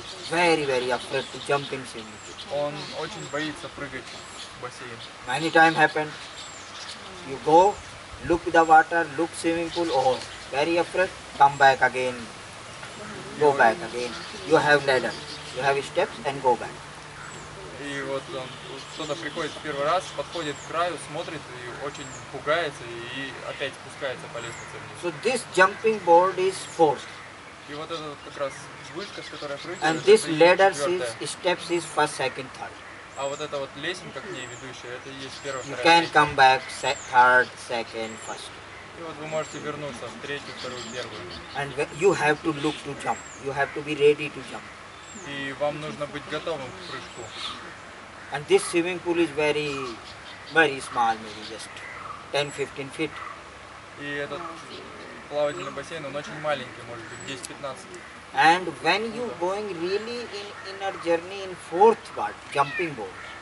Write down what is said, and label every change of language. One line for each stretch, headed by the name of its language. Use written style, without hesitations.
English: Very afraid to jump in swimming pool.
Russian: Он очень боится прыгать в бассейн.
English: Many time happen. You go, look the water, look swimming pool, oh, very afraid, come back again. Go back again. You have ladder. You have steps and go back.
Russian: И вот он, кто-то приходит в первый раз, подходит к краю, смотрит и очень пугается и опять спускается по лестнице вниз.
English: So this jumping board is fourth.
Russian: И вот это вот как раз вышка, с которой прыгает.
English: And this ladder is steps is first, second, third.
Russian: А вот эта вот лесенка к ней ведущая, это и есть первая.
English: You can come back third, second, first.
Russian: И вот вы можете вернуться в третью, вторую, первую.
English: And you have to look to jump. You have to be ready to jump.
Russian: И вам нужно быть готовым к прыжку.
English: And this swimming pool is very, very small, maybe just 10-15 feet.
Russian: И этот плавательный бассейн, он очень маленький, может быть 10-15.
English: And when you going really in inner journey in fourth part, jumping board.